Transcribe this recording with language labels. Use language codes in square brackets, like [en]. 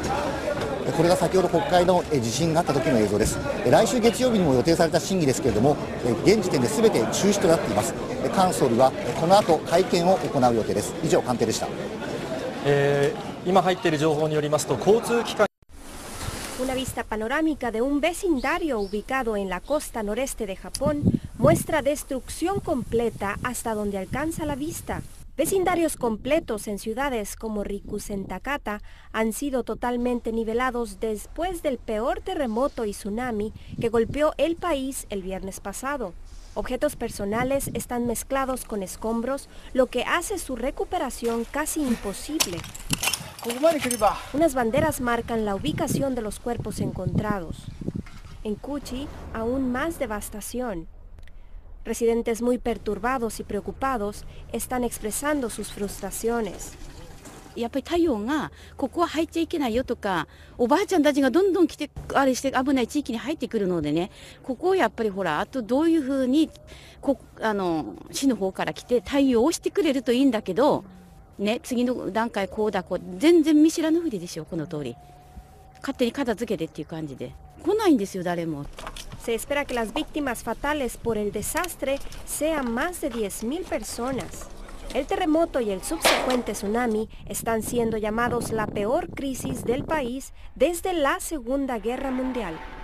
[ja] これが先ほど国会の地震があった時の映像です。来週月曜日にも予定された審議ですけれども、現時点で全て中止となっています。菅総理はこの後会見を行う予定です。以上、官邸でした。今入っている情報によりますと、交通機関 [es] Una vista panorámica de un vecindario ubicado en la costa noreste de Japón muestra destrucción completa hasta donde alcanza la vista. Vecindarios completos en ciudades como Rikus en Takata han sido totalmente nivelados después del peor terremoto y tsunami que golpeó el país el viernes pasado. Objetos personales están mezclados con escombros, lo que hace su recuperación casi imposible. Unas banderas marcan la ubicación de los cuerpos encontrados. En Kuchi, aún más devastación. Residentes muy perturbados y preocupados están expresando sus frustraciones. [ja] やっぱり太陽がここは入っちゃいけないよとか、おばあちゃんたちがどんどん来て、あれして危ない地域に入ってくるのでね、ここをやっぱりほら、あとどういうふうにこあの市の方から来て、対応をしてくれるといいんだけど、ね、次の段階、こうだ、こう、全然見知らぬふりでしょ、この通り。勝手に片付けてっていう感じで、来ないんですよ、誰も。 [es] Se espera que las víctimas fatales por el desastre sean más de 10.000 personas. El terremoto y el subsecuente tsunami están siendo llamados la peor crisis del país desde la Segunda Guerra Mundial.